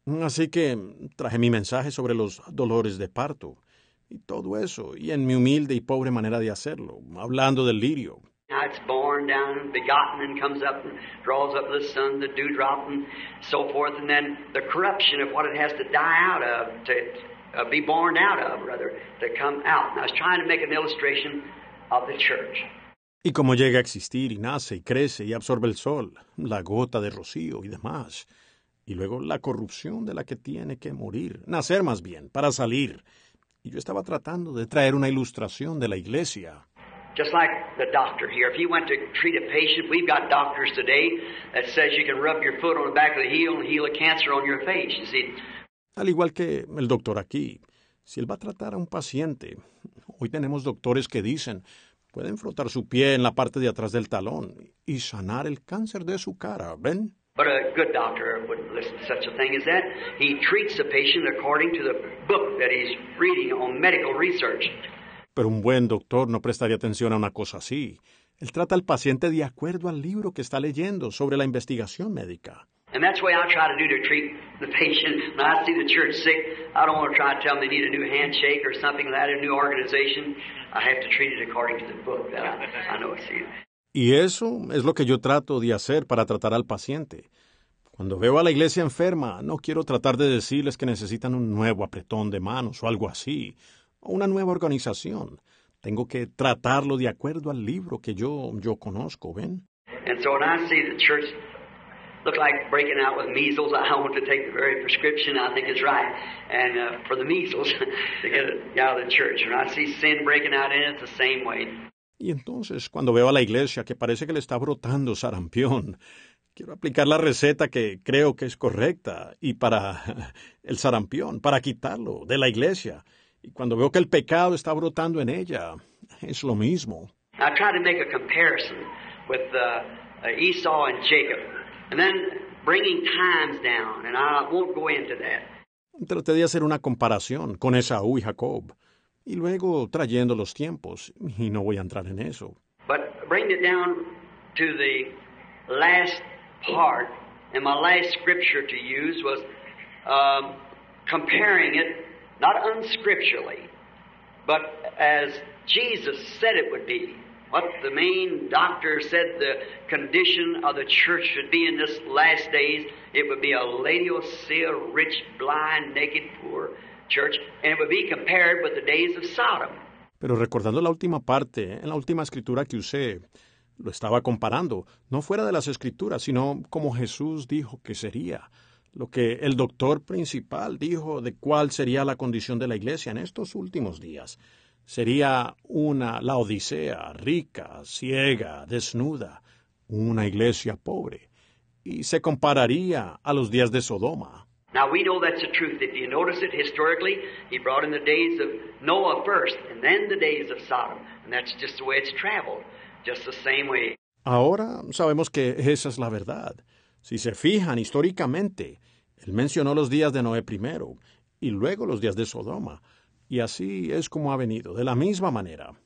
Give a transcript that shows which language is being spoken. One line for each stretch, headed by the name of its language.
Spanish: Así que traje mi mensaje sobre los dolores de parto, y todo eso, y en mi humilde y pobre manera de hacerlo, hablando del lirio.
English: Now it's born down and begotten and comes up and draws up the sun, the dewdrop and so forth, and then the corruption of what it has to die out of, to be born out of, rather, to come out. And I was trying to make an illustration of the church.
Spanish: Y como llega a existir y nace y crece y absorbe el sol, la gota de rocío y demás, y luego la corrupción de la que tiene que morir, nacer más bien, para salir. Y yo estaba tratando de traer una ilustración de la iglesia.
English: Just like the doctor here, if he went to treat a patient, we've got doctors today that says you can rub your foot on the back of the heel and heal a cancer on your face, you see.
Spanish: Al igual que el doctor aquí, si él va a tratar a un paciente, hoy tenemos doctores que dicen, pueden frotar su pie en la parte de atrás del talón y sanar el cáncer de su cara, ¿ven?
English: But a good doctor wouldn't listen to such a thing as that. He treats the patient according to the book that he's reading on medical research.
Spanish: Pero un buen doctor no prestaría atención a una cosa así. Él trata al paciente de acuerdo al libro que está leyendo sobre la investigación médica.
English: And that's what I try to do to treat the patient. When I see the church sick, I don't want to try to tell them they need a new handshake or something like that, a new organization. I have to treat it according to the book that I know it's in.
Spanish: Y eso es lo que yo trato de hacer para tratar al paciente. Cuando veo a la iglesia enferma, no quiero tratar de decirles que necesitan un nuevo apretón de manos o algo así, o una nueva organización. Tengo que tratarlo de acuerdo al libro que yo conozco, ¿ven?
English: And so when I see the church look like breaking out with measles, I want to take the very prescription I think is right. And for the measles, to get it out of the church. When I see sin breaking out in it, it's the same way.
Spanish: Y entonces, cuando veo a la iglesia que parece que le está brotando sarampión, quiero aplicar la receta que creo que es correcta y para el sarampión, para quitarlo de la iglesia. Y cuando veo que el pecado está brotando en ella, es lo mismo.
English: I try to make a comparison with Esau and Jacob, and then bringing times down, and I won't go into that.
Spanish: Traté de hacer una comparación con Esaú y Jacob. Y luego trayendo los tiempos, y no voy a entrar en eso.
English: But bring it down to the last part, and my last scripture to use was comparing it, not unscripturally, but as Jesus said it would be, what the main doctor said the condition of the church should be in this last days, it would be a Laodicea, rich, blind, naked, poor, church, and it would be compared with the days of Sodom.
Spanish: Pero recordando la última parte, en la última escritura que usé, lo estaba comparando, no fuera de las escrituras, sino como Jesús dijo que sería, lo que el doctor principal dijo de cuál sería la condición de la iglesia en estos últimos días. Sería una Laodicea, rica, ciega, desnuda, una iglesia pobre, y se compararía a los días de Sodoma.
English: Now, we know that's the truth. If you notice it historically, he brought in the days of Noah first, and then the days of Sodom. And that's just the way it's traveled, just the same way.
Spanish: Ahora sabemos que esa es la verdad. Si se fijan históricamente, él mencionó los días de Noé primero, y luego los días de Sodoma. Y así es como ha venido, de la misma manera.